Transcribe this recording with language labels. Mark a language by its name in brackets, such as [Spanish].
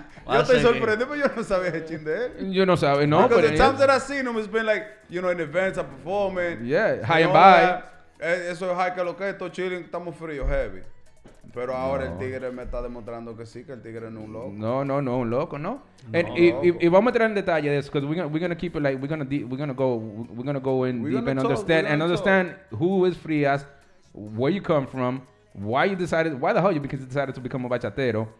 [Spanish] Yo estoy sorprendido, pero yo no sabía ese chin de él. Yo no sabía, no. [English] Because the times that I seen him, it's been like, you know, in events, I'm performing. Yeah, high and by. [Spanish] Eso es high que lo que es, estoy chilling, estamos fríos, heavy. Pero ahora no. El tigre me está demostrando que sí, que el tigre no es un loco. No, un loco, ¿no? Y vamos a entrar en detalle de eso, [English] because we're gonna keep it like, we're gonna go deep and understand who is Frias, where you come from, why the hell you decided to become a bachatero.